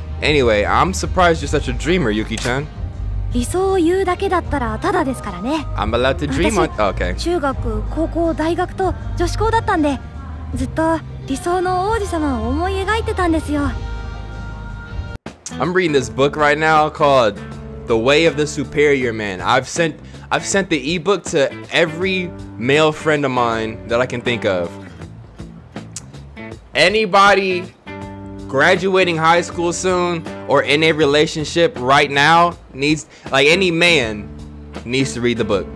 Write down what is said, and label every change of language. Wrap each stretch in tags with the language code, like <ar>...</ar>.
<en>Anyway, I'm surprised you're such a dreamer, Yuki-chan. I'm allowed to dream on. Okay.</en> <ja>中学、高校、大学と女子校だったんで、ずっと理想の王子様を思い描いてたんですよ.</ja> <en>I'm reading this book right now called The Way of the Superior Man. I've sent the ebook to every male friend of mine that I can think of. Anybody graduating high school soon or in a relationship right now needs, like, any man needs to read the book.</en>